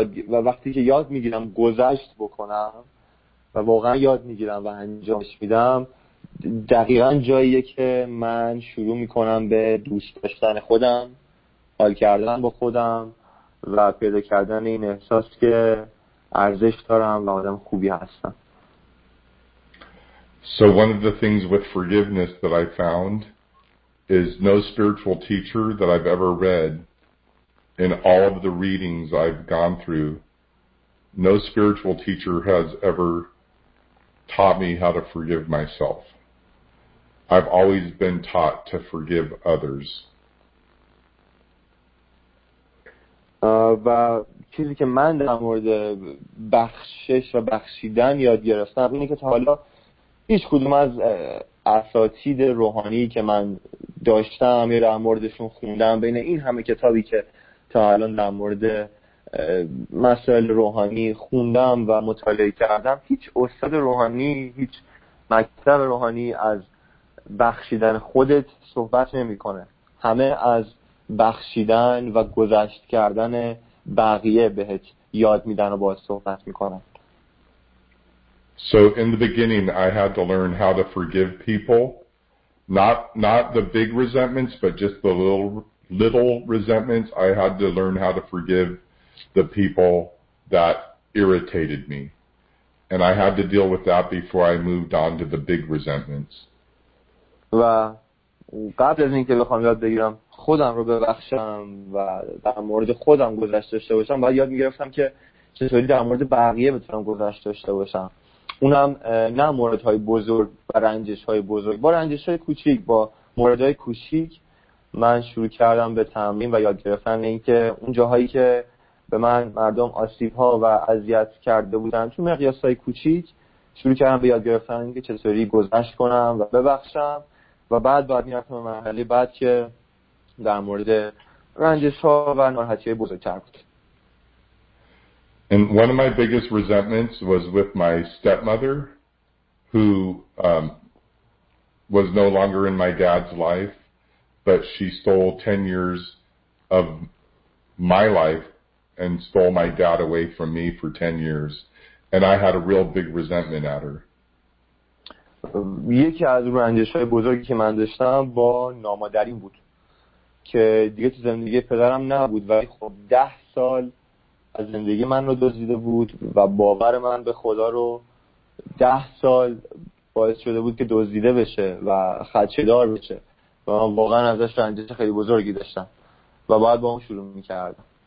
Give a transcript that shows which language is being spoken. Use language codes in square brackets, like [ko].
[fa] و وقتی که یاد میگیرم گذشت بکنم و واقعا یاد میگیرم و انجامش میدم، دقیقاً جاییه که من شروع میکنم به دوست داشتن خودم، حال کردن با خودم و پیدا کردن این احساس که ارزش دارم و آدم خوبی هستم. [en] So one of the things with forgiveness that I found is no spiritual teacher that I've ever read in all of the readings I've gone through, no spiritual teacher has ever taught me how to forgive myself. I've always been taught to forgive others. [fa] و چیزی که من در مورد بخشش و بخشیدن یاد گرفتم اینه که تا حالا هیچ کدوم از اساتید روحانی که من داشتم یا در موردشون خوندم، بین این همه کتابی که تا حالا در مورد مسائل روحانی خوندم و مطالعه کردم، هیچ استاد روحانی، هیچ مکتب روحانی از بخشیدن خودت صحبت نمی کنه. همه از بخشیدن و گذشت کردن بقیه بهت یاد میدن و باهات صحبت میکنن. [en] So in the beginning I had to learn how to forgive people, not the big resentments but just the little resentments. I had to learn how to forgive the people that irritated me, and I had to deal with that before I moved on to the big resentments. [fa] و قبل از اینکه بخوام یاد بگیرم خودم رو ببخشم و در مورد خودم گذشت داشته باشم، باید یاد میگرفتم که چطوری در مورد بقیه بتونم گذشت داشته باشم، اونم نه موردهای بزرگ و رنجش‌های بزرگ، با رنجش‌های کوچیک، با موردهای کوچیک من شروع کردم به تمرین و یاد گرفتن اینکه اون جاهایی که به من مردم آسیب‌ها و اذیت کرده بودن تو مقیاس‌های کوچیک، شروع کردم به یاد گرفتن اینکه چطوری گذشت کنم و ببخشم و بعد باید میرفتم به مرحله بعد که در مورد رنجش ها و ناراحتی های بزرگتر بود. [en] And one of my biggest resentments was with my stepmother, who was no longer in my dad's life, but she stole 10 years of my life and stole my dad away from me for 10 years. And I had a real big resentment at her. [fa] یکی از رنجش‌های بزرگی که من داشتم با نامادریم بود که دیگه تو زندگی پدرم نبود و خب 10 سال از زندگی من رو دزدیده بود و باور من به خدا رو 10 سال باعث شده بود که دزدیده بشه و خدشه‌دار بشه و من واقعا ازش رنجش خیلی بزرگی داشتم و بعد با اون شروع میکردم.